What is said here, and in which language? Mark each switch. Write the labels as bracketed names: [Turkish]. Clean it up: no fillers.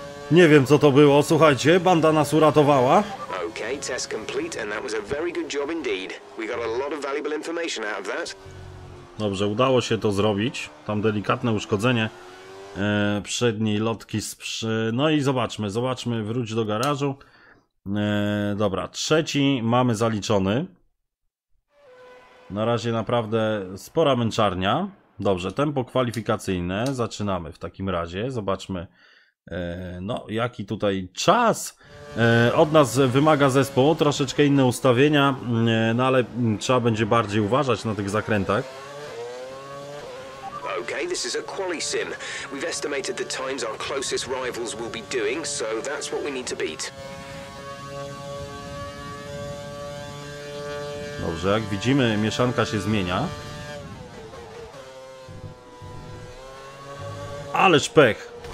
[Polish] Nie wiem, co to było. Słuchajcie, banda nas uratowała. [English] Okay, test complete and that was a very good job indeed. We got a lot of valuable information out of that. [Polish] Dobrze, udało się to zrobić. Tam delikatne uszkodzenie przedniej lotki. No i zobaczmy, wróć do garażu. Dobra, trzeci mamy zaliczony. Na razie naprawdę spora męczarnia. Dobrze, tempo kwalifikacyjne. Zaczynamy w takim razie. Zobaczmy. No, jaki tutaj czas od nas wymaga zespół, troszeczkę inne ustawienia, no ale trzeba będzie bardziej uważać na tych zakrętach. [English] Okay, this is a quali sim. We've estimated the times our closest rivals will be doing, so that's what we need to beat. [Polish] Dobrze, jak widzimy, mieszanka się zmienia. Ależ pech.